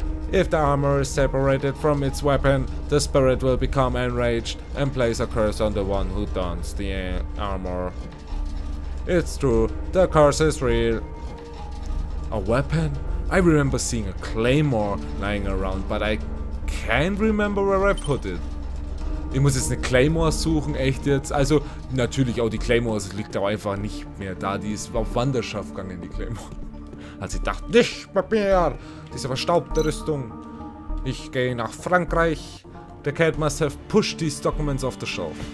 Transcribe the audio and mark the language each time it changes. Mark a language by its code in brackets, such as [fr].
[en] If the armor is separated from its weapon, the spirit will become enraged and place a curse on the one who dons the armor. It's true, the curse is real. A weapon? I remember seeing a claymore lying around, but I can't remember where I put it. [de] Ich muss jetzt eine Claymore suchen, echt jetzt? Also, natürlich auch die Claymore, es liegt auch einfach nicht mehr da. Die ist auf Wanderschaft gegangen, die Claymore. Als ich dachte, nicht Papier, diese verstaubte Rüstung. Ich gehe nach Frankreich. [en] The cat must have pushed these documents off the shelf.